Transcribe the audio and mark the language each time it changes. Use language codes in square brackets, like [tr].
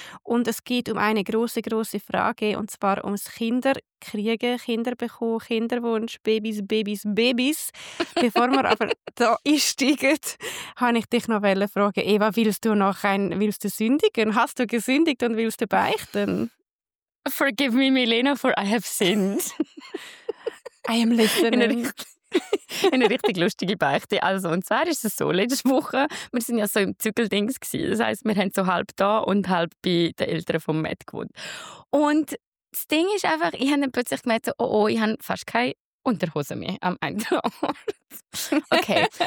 [de] Und es geht um eine grosse, grosse Frage. Und zwar ums Kinderkriegen, Kinderbekommen, Kinderwunsch, Babys, Babys, Babys. Bevor wir aber da einsteigen, habe ich dich noch fragen, Eva, willst du sündigen? Hast du gesündigt und willst du beichten? [en] Forgive me, Milena, for I have sinned. I am listening. [de] Eine richtig lustige Beichte. Also, und zwar ist es so, letzte Woche, wir sind ja so im Zügeldings gewesen. Das heisst, wir haben so halb da und halb bei den Eltern von Matt gewohnt. Und das Ding ist einfach, ich habe dann plötzlich gemerkt, oh, ich habe fast keine Unterhose mehr am einen Ort. Okay.